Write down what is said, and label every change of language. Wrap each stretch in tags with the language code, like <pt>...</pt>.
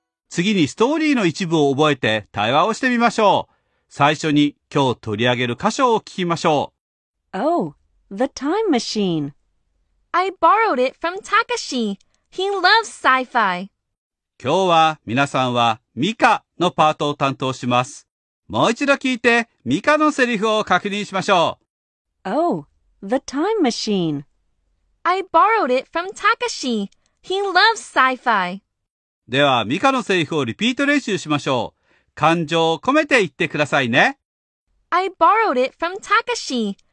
<ja>次にストーリーの一部を覚えて対話をしてみましょう。最初に今日取り上げる箇所を聞きましょう。</ja> <en>Oh, the time machine. I borrowed it from Takashi. He loves sci-fi.</en> <ja>今日は皆さんはミカのパートを担当します。もう一度聞いてミカのセリフを確認しましょう。</ja> <en>Oh, the time machine. I borrowed it from Takashi. He loves sci-fi.</en> <ja>ではミカのセリフをリピート練習しましょう。感情を込めて言ってくださいね。</ja> <en>I borrowed it from Takashi.</en>